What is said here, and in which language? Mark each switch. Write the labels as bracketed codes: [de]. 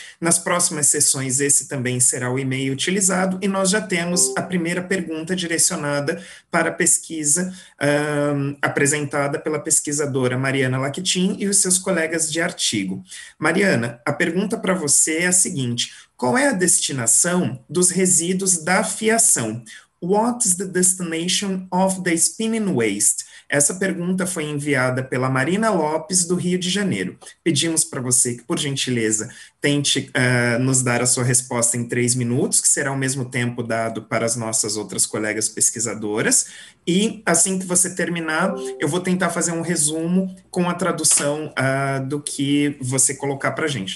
[pt] Nas próximas sessões esse também será o e-mail utilizado e nós já temos a primeira pergunta direcionada para a pesquisa apresentada pela pesquisadora Mariana Lactin e os seus colegas de artigo. Mariana, a pergunta para você é a seguinte: qual é a destinação dos resíduos da fiação? [en] What is the destination of the spinning waste? [pt] Essa pergunta foi enviada pela Marina Lopes, do Rio de Janeiro. Pedimos para você que, por gentileza, tente nos dar a sua resposta em 3 minutos, que será o mesmo tempo dado para as nossas outras colegas pesquisadoras. E, assim que você terminar, eu vou tentar fazer um resumo com a tradução do que você colocar para a gente.